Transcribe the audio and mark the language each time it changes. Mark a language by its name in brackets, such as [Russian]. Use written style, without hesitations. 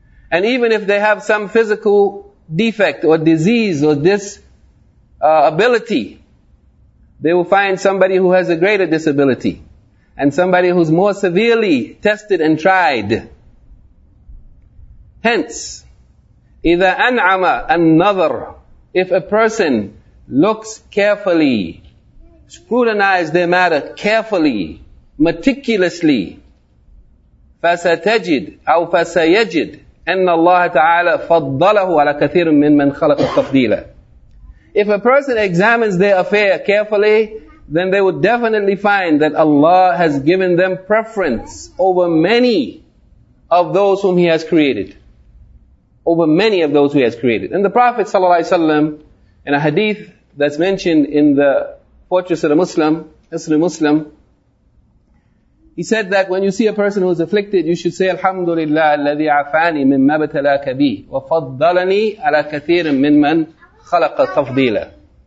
[English] And even if they have some physical defect or disease or disability, they will find somebody who has a greater disability and somebody who's more severely tested and tried. Hence, [Arabic] إِذَا أَنْعَمَ النَّظَرُ, [English] if a person looks carefully scrutinize their matter carefully, meticulously, [Arabic] فستجد أو فسيجد أن الله تعالى فضله على كثير من من خلق التفضيل. [English] If a person examines their affair carefully, then they would definitely find that Allah has given them preference over many of those whom He has created. Over many of those who He has created. And the Prophet ﷺ, in a hadith that's mentioned in the Fortress of the Muslim, Muslim Muslim, he said that when you see a person who is afflicted, you should say, Alhamdulillah, [Arabic] الَّذِي عَفَانِي مِمَّا بَتَلَاكَ بِي وَفَضَّلَنِي عَلَى كَثِيرٍ مِّن مَّنْ خَلَقَ تَفْضِيلًا.